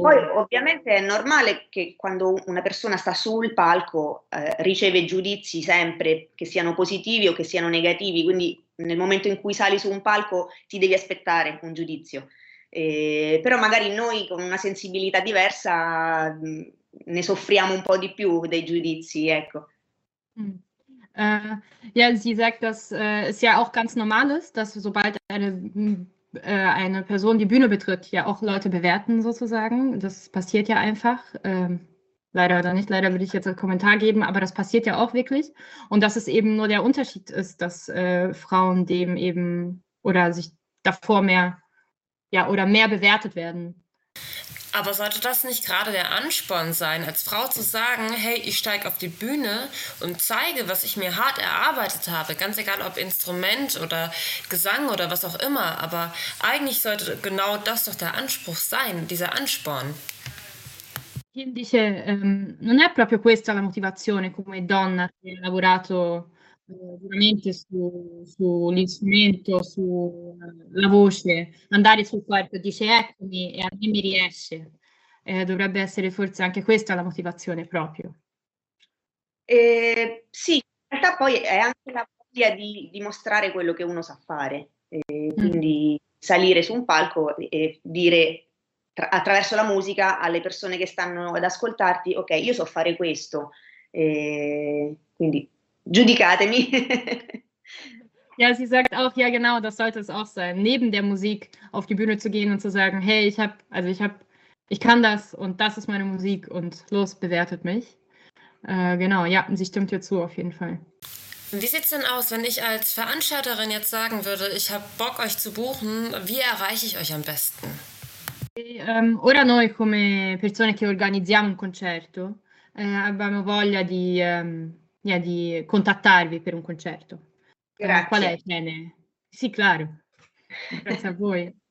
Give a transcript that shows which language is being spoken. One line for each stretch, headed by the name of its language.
Italian: Poi ovviamente è normale che quando una persona sta sul palco riceve giudizi sempre, che siano positivi o che siano negativi, quindi nel momento in cui sali su un palco ti devi aspettare un giudizio. Però magari noi con una sensibilità diversa ne soffriamo un po' di più dei giudizi, ecco.
German: Sie sagt, dass es ja auch ganz normal ist, dass sobald eine Person die Bühne betritt, ja auch Leute bewerten sozusagen. Das passiert ja einfach. Leider oder nicht, leider würde ich jetzt einen Kommentar geben, aber das passiert ja auch wirklich. Und dass es eben nur der Unterschied ist, dass Frauen dem eben oder sich davor mehr, ja, oder mehr bewertet werden. Aber sollte das nicht gerade der Ansporn sein, als Frau zu sagen, hey, ich steige auf die Bühne und zeige, was ich mir hart erarbeitet habe, ganz egal ob Instrument oder Gesang oder was auch immer, aber eigentlich sollte genau das doch der Anspruch sein, dieser Ansporn.
Italian: Kim dice, non è proprio questa la motivazione come donna che ha lavorato veramente sull'istrumento, sulla voce, andare sul palco, dice eccomi e a me mi riesce. Dovrebbe essere forse anche questa la motivazione proprio. Sì, in realtà poi è anche la voglia di dimostrare quello che uno sa fare, quindi salire su un palco e dire attraverso la musica alle persone che stanno ad ascoltarti, ok, io so fare questo, quindi... Giudicatemi.
German: Ja, sie sagt auch, ja genau, das sollte es auch sein, neben der Musik auf die Bühne zu gehen und zu sagen, hey, ich kann das und das ist meine Musik und los, bewertet mich. Genau, ja, sie stimmt hier zu auf jeden Fall. Wie sieht's denn aus, wenn ich als Veranstalterin jetzt sagen würde, ich habe Bock euch zu buchen, wie erreiche ich euch am besten?
Italian: Ora noi come persone che organizziamo un concerto, abbiamo voglia di di contattarvi per un concerto. Grazie. Qual è il bene? Sì, claro. Grazie a voi.